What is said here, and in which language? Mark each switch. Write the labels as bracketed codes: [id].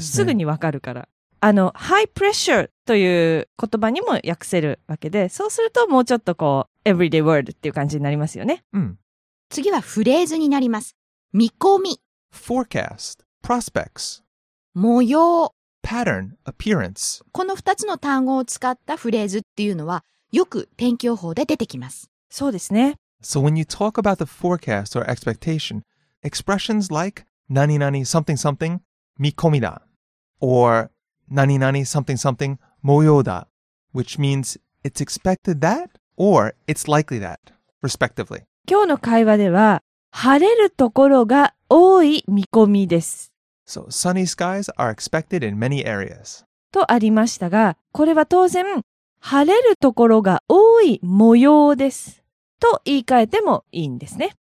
[ja] すぐにわかるから。high pressure という言葉にも訳せるわけで、そうするともうちょっとこう、everyday word っていう感じになりますよね。うん。次はフレーズになります。見込み。 [en] forecast, prospects。 [ja] 模様。 [en] pattern, appearance。 [ja] この2つの単語を使ったフレーズっていうのは、よく天気予報で出てきます。そうですね。 [en] So when you talk about the forecast or expectation, expressions like 何々 something something 見込みだ or 何々 something something 模様だ which means it's expected that or it's likely that, respectively. [ja] 今日の会話では晴れるところが多い見込みです。 [en] So sunny skies are expected in many areas. [ja] とありましたが、これは当然晴れるところが多い模様です。と言い換えてもいいんですね。